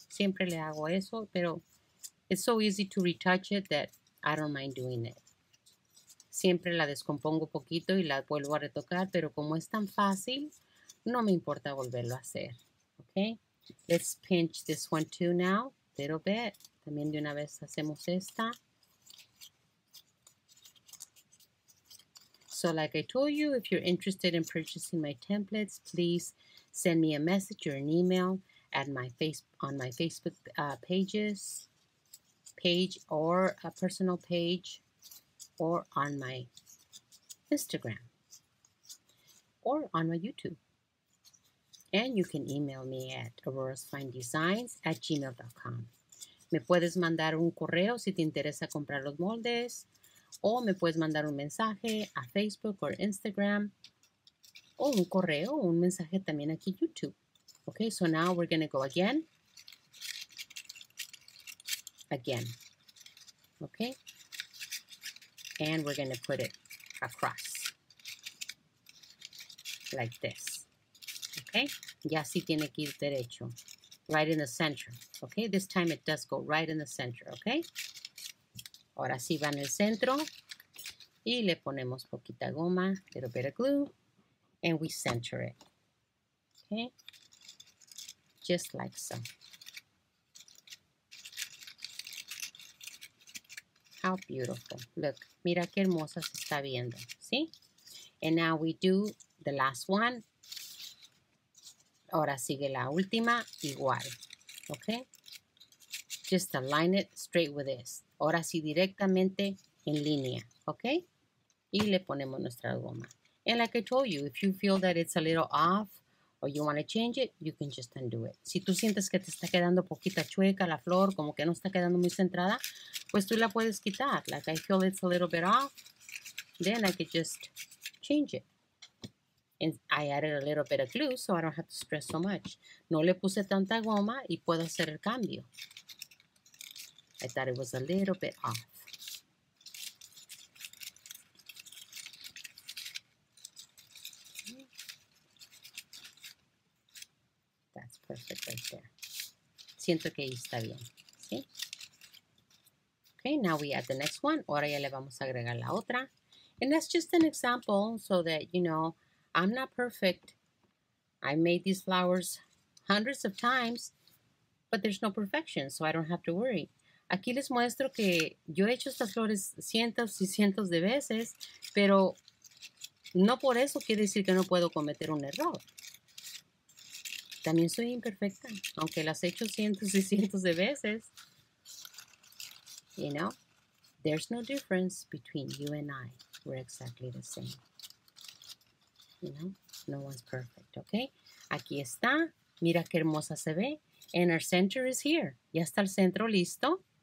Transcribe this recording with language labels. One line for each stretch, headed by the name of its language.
Spanish: Siempre le hago eso, pero
English: it's so easy to retouch it that I don't mind doing it.
Spanish: Siempre la descompongo poquito y la vuelvo a retocar, pero como es tan fácil, no me importa volverlo a hacer.
English: Okay? Let's pinch this one too now. Little bit.
Spanish: También de una vez hacemos esta.
English: So like I told you, if you're interested in purchasing my templates, please send me a message or an email at my Facebook page or a personal page. Or on my Instagram. Or on my YouTube. And you can email me at aurorasfinedesigns@gmail.com.
Spanish: Me puedes mandar un correo si te interesa comprar los moldes. O me puedes mandar un mensaje a Facebook or Instagram. O un correo o un mensaje también aquí YouTube.
English: Okay, so now we're going to go again. Again. Okay. And we're going to put it across, like this, okay?
Spanish: Ya sí tiene que ir derecho,
English: right in the center, okay? This time it does go right in the center, okay?
Spanish: Ahora sí va en el centro, y le ponemos poquita goma,
English: little bit of glue, and we center it. Okay? Just like so. How beautiful. Look,
Spanish: mira que hermosa se está viendo.
English: See? And now we do the last one.
Spanish: Ahora sigue la última, igual.
English: Okay? Just align it straight with this.
Spanish: Ahora sí, directamente en línea.
English: Okay?
Spanish: Y le ponemos nuestra goma.
English: And like I told you, if you feel that it's a little off or you want to change it, you can just undo it.
Spanish: Si tú sientes que te está quedando poquita chueca la flor, como que no está quedando muy centrada, pues tú la puedes quitar.
English: Like I feel it's a little bit off, then I could just change it. And I added a little bit of glue so I don't have to stress so much.
Spanish: No le puse tanta goma y puedo hacer el cambio.
English: I thought it was a little bit off. That's perfect right there.
Spanish: Siento que ahí está bien. ¿Sí?
English: Okay, now we add the next one.
Spanish: Ahora ya le vamos a agregar la otra.
English: And that's just an example so that, you know, I'm not perfect. I made these flowers hundreds of times, but there's no perfection, so I don't have to worry.
Spanish: Aquí les muestro que yo he hecho estas flores cientos y cientos de veces, pero no por eso quiere decir que no puedo cometer un error. También soy imperfecta, aunque las he hecho cientos y cientos de veces.
English: You know, there's no difference between you and I. We're exactly the same. You know, no one's perfect, okay?
Spanish: Aquí está. Mira qué hermosa se ve.
English: And our center is here.
Spanish: Ya está el centro listo.